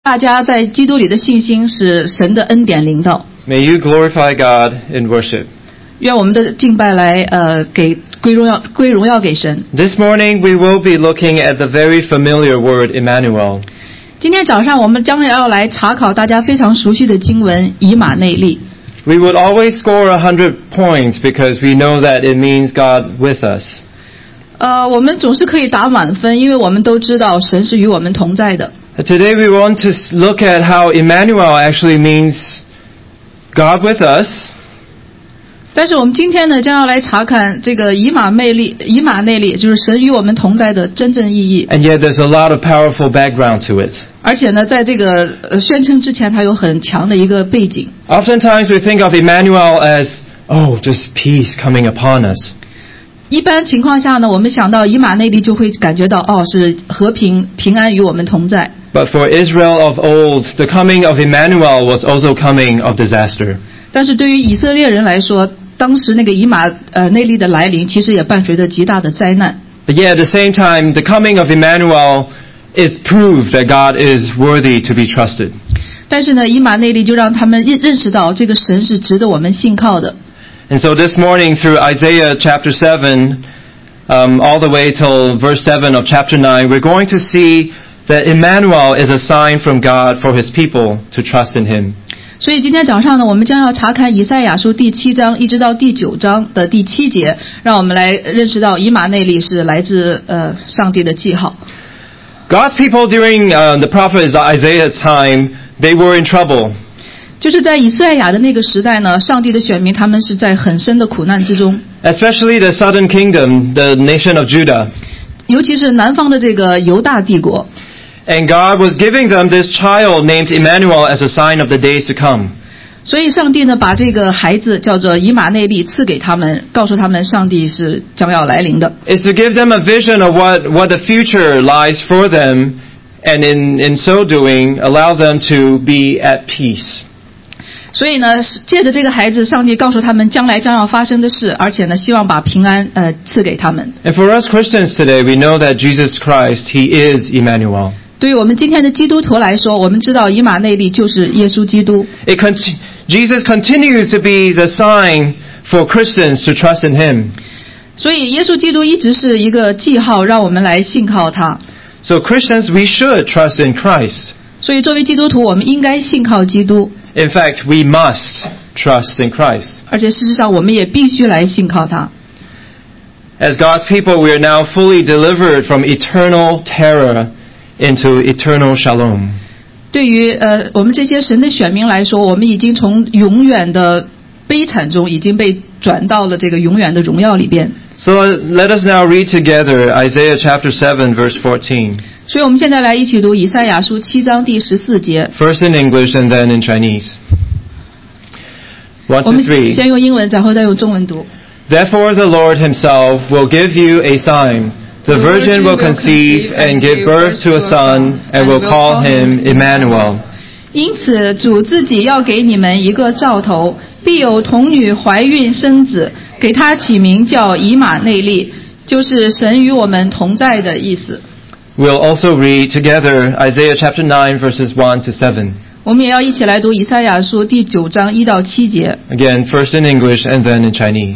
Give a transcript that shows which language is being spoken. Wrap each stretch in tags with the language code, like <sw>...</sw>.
<zh>大家在基督里的信心是神的恩典临到。</zh> <en>May you glorify God in worship.</en> <zh>愿我们的敬拜来给归荣耀给神。</zh> <en>This morning we will be looking at the very familiar word Emmanuel.</en> <zh>今天早上我们将要来查考大家非常熟悉的经文以马内利。</zh> <en>We would always score 100 points because we know that it means God with us.</en> <zh>我们总是可以打满分，因为我们都知道神是与我们同在的。</zh> <en>Today we want to look at how Emmanuel actually means God with us.</en> <zh>但是我们今天呢，将要来查看这个以马内利，就是神与我们同在的真正意义。</zh> <en>And yet there's a lot of powerful background to it.</en> <zh>而且呢，在这个宣称之前，它有很强的一个背景。</zh> <en>Oftentimes we think of Emmanuel as, oh, just peace coming upon us.</en> <zh>一般情况下呢，我们想到以马内利就会感觉到，哦，是和平平安与我们同在。</zh> <en>But for Israel of old, the coming of Emmanuel was also coming of disaster.</en> <zh>但是对于以色列人来说，当时那个以马内利的来临，其实也伴随着极大的灾难。</zh> <en>But yet at the same time, the coming of Emmanuel is proof that God is worthy to be trusted.</en> <zh>但是呢，以马内利就让他们认识到，这个神是值得我们信靠的。</zh> <en>And so this morning through Isaiah chapter 7, all the way till verse 7 of chapter 9, we're going to see that Emmanuel is a sign from God for his people to trust in him.</en> <zh>所以今天早上呢，我们将要查看以赛亚书第七章一直到第九章的第七节，让我们来认识到以马内利是来自上帝的记号。</zh> <en>God's people during the prophet Isaiah's time, they were in trouble.</en> <zh>就是在以赛亚的那个时代呢，上帝的选民他们是在很深的苦难之中。</zh> <en>Especially the southern kingdom, the nation of Judah.</en> <zh>尤其是南方的这个犹大帝国。</zh> <en>And God was giving them this child named Emmanuel as a sign of the days to come.</en> <zh>所以上帝呢，把这个孩子叫做以马内利赐给他们，告诉他们上帝是将要来临的。</zh> <en>It's to give them a vision of what the future lies for them, and in so doing, allow them to be at peace.</en> <zh>所以呢，借着这个孩子，上帝告诉他们将来将要发生的事，而且呢，希望把平安赐给他们。</zh> <en>And for us Christians today, we know that Jesus Christ, He is Emmanuel.</en> <zh>对于我们今天的基督徒来说，我们知道以马内利就是耶稣基督。</zh> <en>Jesus continues to be the sign for Christians to trust in Him.</en> <zh>所以耶稣基督一直是一个记号，让我们来信靠他。</zh> <en>So Christians, we should trust in Christ.</en> <zh>所以作为基督徒，我们应该信靠基督。</zh> <en>In fact, we must trust in Christ.</en> <zh>而且事实上，我们也必须来信靠他。</zh> <en>As God's people, we are now fully delivered from eternal terror into eternal shalom.</en> <zh>对于我们这些神的选民来说，我们已经从永远的悲惨中已经被转到了这个永远的荣耀里边。</zh> <en>So let us now read together Isaiah chapter 7, verse 14.</en> <zh>所以我们现在来一起读以赛亚书七章第十四节。</zh> <en>First in English and then in Chinese. 1-3.</en> <zh>先用英文，然后再用中文读。</zh> <en>Therefore the Lord himself will give you a sign. The virgin will conceive and give birth to a son and will call him Emmanuel.</en> <zh>因此主自己要给你们一个兆头，必有童女怀孕生子，给他起名叫以马内利，就是神与我们同在的意思。</zh> <en>We'll also read together Isaiah chapter 9 verses 1-7.</en> <zh>我们也要一起来读以赛亚书第九章一到七节。</zh> <en>Again, first in English and then in Chinese.</en>